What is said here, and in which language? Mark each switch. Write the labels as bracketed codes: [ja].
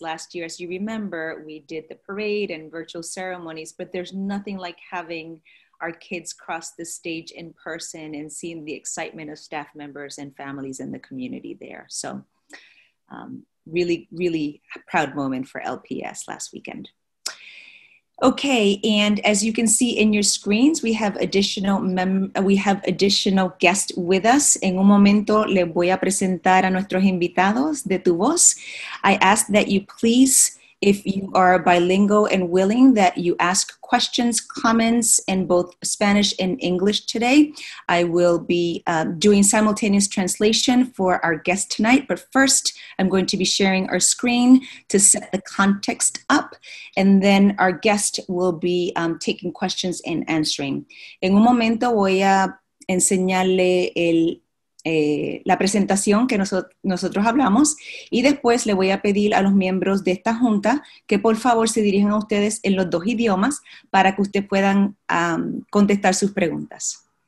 [en] Last year, as you remember, we did the parade and virtual ceremonies, but there's nothing like having our kids cross the stage in person and seeing the excitement of staff members and families in the community there. So really, really proud moment for LPS last weekend. Okay, and as you can see in your screens, we have additional guests with us. [es] En un momento, le voy a presentar a nuestros invitados de tu voz. [en] I ask that you please, if you are bilingual and willing, that you ask questions, comments in both Spanish and English today. I will be doing simultaneous translation for our guest tonight, but first I'm going to be sharing our screen to set the context up, and then our guest will be taking questions and answering. [es] En un momento voy a enseñarle la presentación que nosotros hablamos, y después le voy a pedir a los miembros de esta junta que por favor se dirijan a ustedes en los dos idiomas para que ustedes puedan contestar sus preguntas.